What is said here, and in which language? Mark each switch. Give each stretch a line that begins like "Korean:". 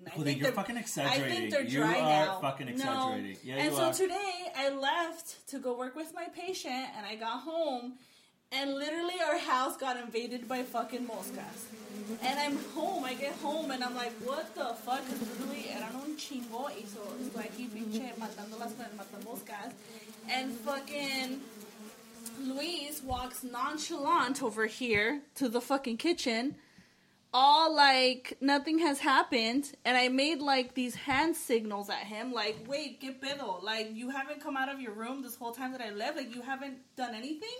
English: well, I think you're fucking exaggerating. I think they're dry now. You are fucking exaggerating. Yeah, and so today, I left to go work with my patient, and I got home, and literally our house got invaded by fucking moscas. And I'm home. I get home, and I'm like, what the fuck?
Spanish: Literally, eran un chingo, y so estoy aquí, pinche, matando las matamoscas.
English: And fucking... Luis walks nonchalant over here to the fucking kitchen, all like nothing has happened, and I made like these hand signals at him, like, wait,
Spanish: qué pedo,
English: like, you haven't come out of your room this whole time that I live, like, you haven't done anything?